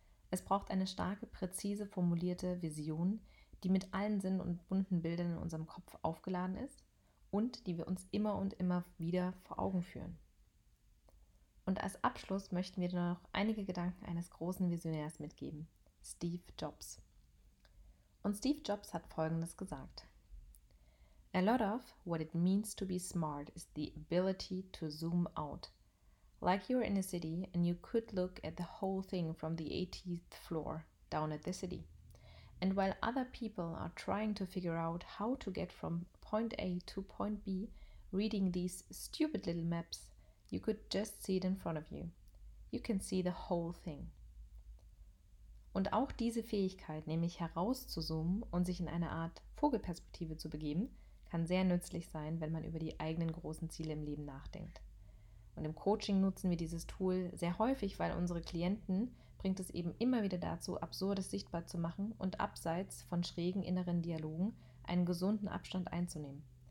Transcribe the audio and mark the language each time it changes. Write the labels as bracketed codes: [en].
[de] Es braucht eine starke, präzise formulierte Vision, die mit allen Sinnen und bunten Bildern in unserem Kopf aufgeladen ist und die wir uns immer und immer wieder vor Augen führen. Und als Abschluss möchten wir dir noch einige Gedanken eines großen Visionärs mitgeben, Steve Jobs. Und Steve Jobs hat Folgendes gesagt. [en] A lot of what it means to be smart is the ability to zoom out. Like you're in a city and you could look at the whole thing from the 18th floor down at the city. And while other people are trying to figure out how to get from point A to point B, reading these stupid little maps, you could just see it in front of you. You can see the whole thing. [de] Und auch diese Fähigkeit, nämlich herauszuzoomen und sich in eine Art Vogelperspektive zu begeben, kann sehr nützlich sein, wenn man über die eigenen großen Ziele im Leben nachdenkt. Und im Coaching nutzen wir dieses Tool sehr häufig, weil unsere Klienten bringt es eben immer wieder dazu, Absurdes sichtbar zu machen und abseits von schrägen inneren Dialogen einen gesunden Abstand einzunehmen.